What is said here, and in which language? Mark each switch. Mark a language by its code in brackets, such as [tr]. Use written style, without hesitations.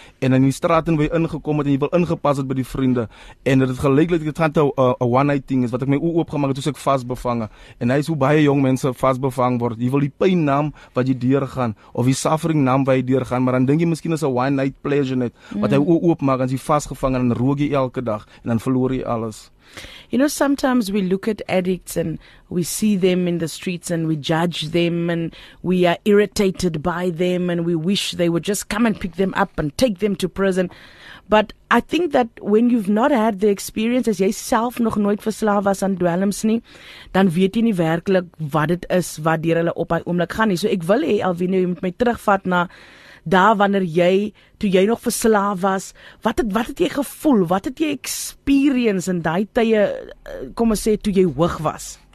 [af] En in die straat in waar jy ingekom het en jy wil ingepas het by die vriende. En dit het gelyk dat dit gaan te [en] a one-night thing [af] is, wat ek my oop gemaak het, toe ek vasbevange. En hy is hoe baie jong mense vasbevang word. Jy wil die pyn naam wat jy deurgaan, of die suffering naam wat jy deurgaan, maar dan dink jy miskien is [en] a one-night pleasure [af] net, wat hy oop maak en jy vasgevang en dan rook jy elke dag en dan verloor jy alles. [en] You know, sometimes we look at addicts and we see them in the streets and we judge them and we are irritated by them and we wish they would just come and pick them up and take them to prison. But I think that when you've not had the experience, [af] as jy self nog nooit verslaaf was aan dwelms nie, dan weet jy nie werklik wat dit is wat deur hulle op hy oomblik gaan nie. So ek wil hê Alvino, jy moet my terugvat na daar wanneer jy, toe jy nog verslaaf was, wat het jy gevoel, wat het jy experience in die tye, kom ons sê, toe jy hoog was?